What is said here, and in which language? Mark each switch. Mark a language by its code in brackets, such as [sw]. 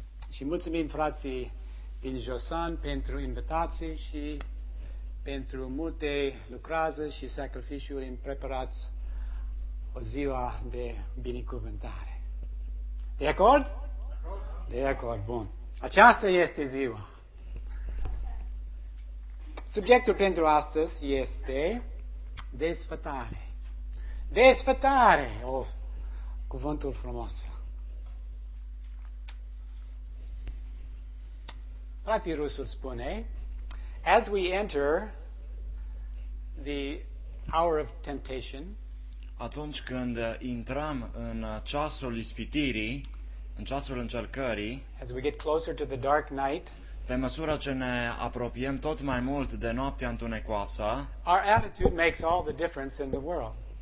[ro] Și mulțumim frații din Josan pentru invitație și pentru multe lucrează și sacrificiuri în preparați o ziua de binecuvântare. De acord? De acord, bun. Aceasta este ziua. Subiectul pentru astăzi este desfătare. Desfătare, cuvântul frumos. Frate Rusul spune, [en] as we enter the hour of temptation, [ro] atunci când intrăm în ceasul ispitirii, în ceasul încercării, [en] as we get closer to the dark night, [ro] pe măsură ce ne apropiem tot mai mult de noaptea întunecoasă, [en] our attitude makes all the difference in the world.